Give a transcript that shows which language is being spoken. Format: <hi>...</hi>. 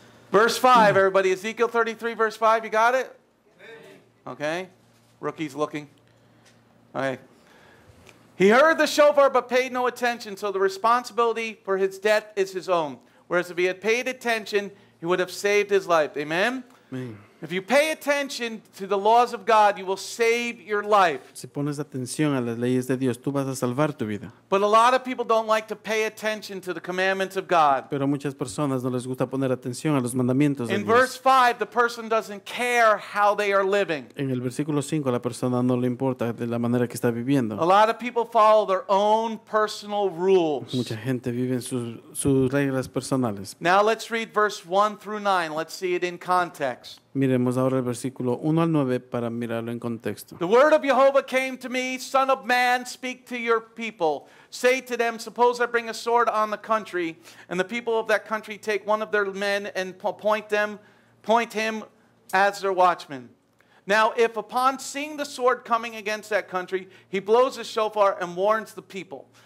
<en>Verse 5, everybody. Ezekiel 33, verse 5. You got it? Okay. Rookie's looking. Okay. He heard the shofar but paid no attention, so the responsibility for his death is his own. Whereas if he had paid attention, he would have saved his life. Amen? Amen. If you pay attention to the laws of God, you will save your life.</en> <es>Si pones atención a las leyes de Dios, tú vas a salvar tu vida.</es> <en>But a lot of people don't like to pay attention to the commandments of God.</en> <es>Pero muchas personas no les gusta poner atención a los mandamientos de</es> <en>Dios. In verse 5, the person doesn't care how they are living.</en> <es>En el versículo 5, la persona no le importa de la manera que está viviendo.</es> <en>A lot of people follow their own personal rules.</en> <es>Mucha gente vive en sus reglas personales.</es> <en>Now let's read verse 1 through 9. Let's see it in context.</en> <es>Miremos ahora el versículo 1 al 9 para mirarlo en contexto.</es> <en>The word of Jehovah came to me, son of man, speak to your people. Say to them, suppose I bring a sword on the country, and the people of that country take one of their men and point him as their watchman. Now, if upon seeing the sword coming against that country, he blows his shofar and warns the people.</en>